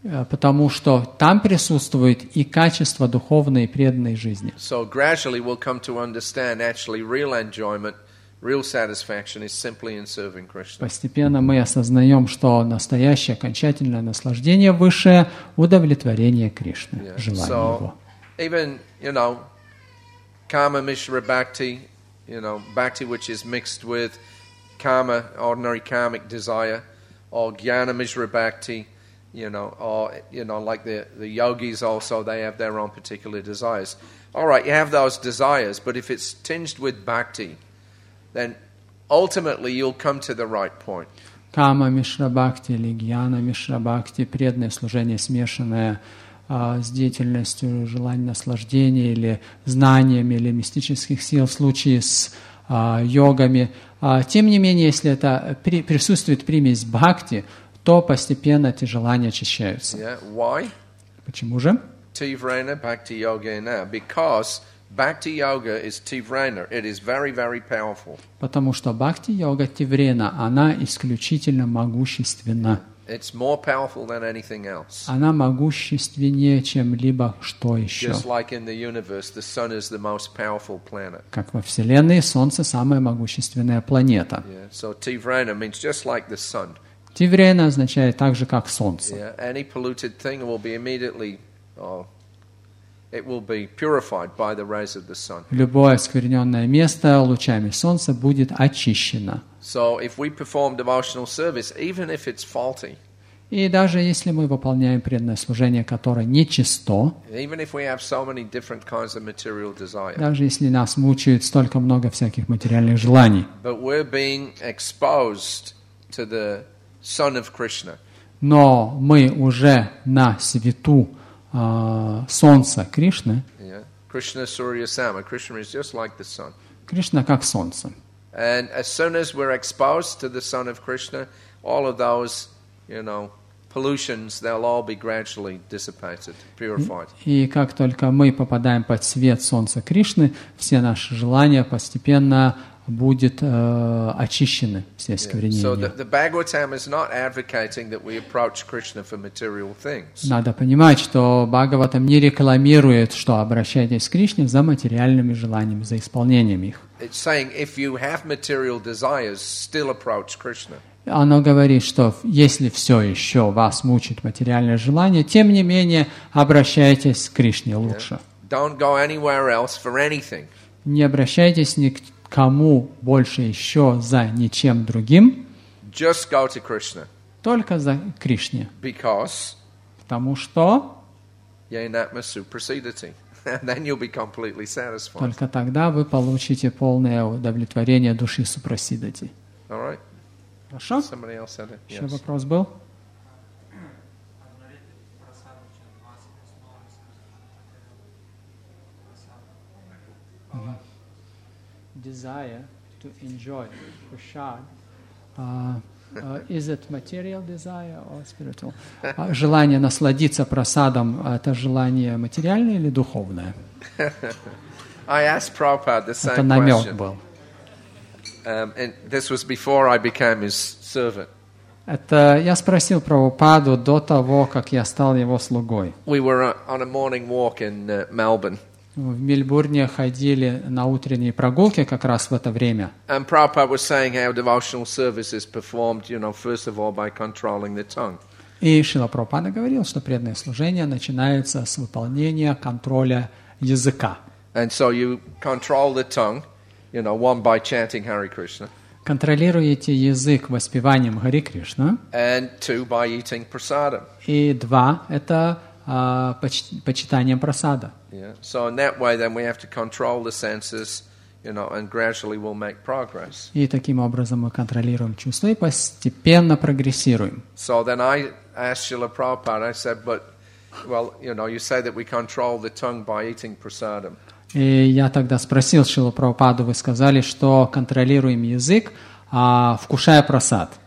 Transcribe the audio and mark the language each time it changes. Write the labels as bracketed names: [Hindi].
[Russian] Потому что там присутствует и качество духовной и преданной жизни. [English] So gradually we'll come to understand actually real enjoyment. Real satisfaction is simply in serving Krishna. [Russian] Постепенно мы осознаем, что настоящее окончательное наслаждение высшее удовлетворение Кришны, желание Его. [English] Even, you know, karma mishra bhakti, you know, bhakti which is mixed with karma, ordinary karmic desire, or jnana mishra bhakti, you know, or you know, like the yogis also, they have their own particular desires. All right, you have those desires, but if it's tinged with bhakti, then ultimately you'll come to the right point. [Russian] Кама мишра бхакти или гьяна мишра бхакти, преданное служение, смешанное с деятельностью желания наслаждения или знаниями или мистических сил в случае с йогами. Тем не менее, если это присутствует примесь бхакти, то постепенно эти желания очищаются. [English] Yeah. Why? [Russian] Почему же? [Sanskrit] Тиврена бхакти йогена. [English] Because Bhakti yoga is tivrena. It is very, very powerful. [Russian] Потому что бхакти йога тиврена, она исключительно могущественна. [English] It's more powerful than anything else. [Russian] Она могущественнее, чем либо что еще. [English] Just like in the universe, the sun is the most powerful planet. [Russian] Как во вселенной, солнце самая могущественная планета. [English] Yeah. So tivrena means just like the sun. [Russian] Тиврена означает так же, как солнце. [English] Yeah. Any polluted thing will be immediately. It will be purified by the rays of the sun. [Russian] Любое оскверненное место лучами солнца будет очищено. [English] So if we perform devotional service, even if it's faulty. [Russian] И даже если мы выполняем преданное служение, которое нечисто. [English] Even if we have so many different kinds of material desire. [Russian] Даже если нас мучает столько много всяких материальных желаний. [English] But we're being exposed to the sun of Krishna. [Russian] Но мы уже на свету. Солнце Кришны. [Sanskrit] Yeah. Krishna Surya Sama. [English] Krishna is just like the sun. [Russian] Кришна как солнце. [English] And as soon as we're exposed to the sun of Krishna, all of those, you know, pollutions, they'll all be gradually dissipated, purified. [Russian] И как только мы попадаем под свет солнца Кришны, все наши желания постепенно будет очищены все осквернения. [English] So the Bhagavatam is not advocating that we approach Krishna for material things. [Russian] Надо понимать, что Бхагаватам не рекламирует, что обращайтесь к Кришне за материальными желаниями, за исполнением их. [English] It's saying if you have material desires, still approach Krishna. [Russian] Оно говорит, что если все еще вас мучает материальное желание, тем не менее обращайтесь к Кришне лучше. [English] Don't go anywhere else for anything. [Russian] Не обращайтесь ни к кому больше еще за ничем другим, [English] just go to Krishna. [Russian] Только за Кришне. [English] Because [Russian] потому что [Sanskrit] yainatma supersedati. [English] And then you'll be completely satisfied. [Russian] Только тогда вы получите полное удовлетворение души супрасидати. [English] All right. [Russian] Хорошо? [English] Somebody else said it. [Russian] Еще [English] yes. [Russian] Вопрос был? [English] Desire to enjoy prasad. Is it material desire or spiritual? [Russian] Желание насладиться прасадом – это желание материальное или духовное? [English] I asked Prabhupada the same [Russian] это намек [English] question. [Russian] Был. [English] And this was before I became his servant. [Russian] Это я спросил Прабхупаду до того, как я стал его слугой. [English] We were on a morning walk in Melbourne. [Russian] В Мельбурне ходили на утренние прогулки как раз в это время. [English] And Prabhupada was saying how devotional service is performed, you know, first of all by controlling the tongue. [Russian] И Шрила Прабхупада говорил, что преданное служение начинается с выполнения контроля языка. [English] And so you control the tongue, you know, one by chanting Hare Krishna. [Russian] Контролируете язык воспеванием Хари Кришна. [English] And two by eating prasadam. [Russian] И два это почитанием прасада. [English] Yeah. So in that way, then we have to control the senses, you know, and gradually we'll make progress. [Russian] И таким образом мы контролируем чувства и постепенно прогрессируем. [English] So then I asked Srila Prabhupada. I said, but, well, you know, you say that we control the tongue by eating prasadam. [Russian] И я тогда спросил Шрилу Прабхупаду. Вы сказали, что контролируем язык, вкушая прасад.